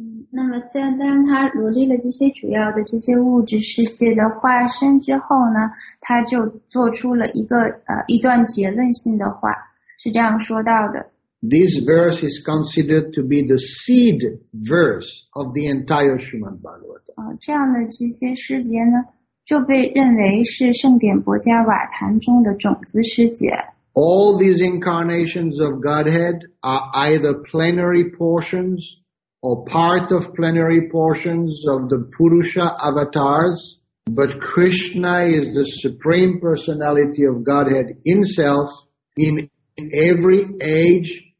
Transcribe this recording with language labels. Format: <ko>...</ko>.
<zh>那么在当他罗列了这些主要的这些物质世界的化身之后呢，他就做出了一段结论性的话，是这样说到的。</zh> <en>This verse is considered to be the seed verse of the entire Srimad Bhagavatam.</en> <zh>这样的这些诗节呢，就被认为是圣典薄伽瓦坛中的种子诗节。</zh> <en>All these incarnations of Godhead are either plenary portions or part of plenary portions of the Purusha avatars, but Krishna is the supreme personality of Godhead himself in every age.</en>